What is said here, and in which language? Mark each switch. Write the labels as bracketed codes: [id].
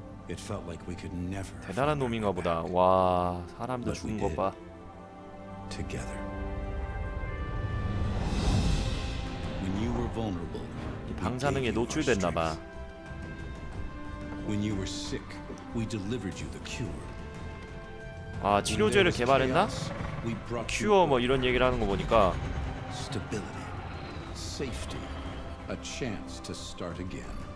[en] It felt like we could never. [ko] 대단한 놈인가 보다. 와, 사람도 죽은 거 봐. [en] together. When you were vulnerable, [ko] 방사능에 노출됐나 봐. [en] When you were sick, we delivered you the cure. [ko] 아, 치료제를 개발했나? 큐어 뭐 이런 얘기를 하는 거 보니까 [en] stability, safety, a chance to start again.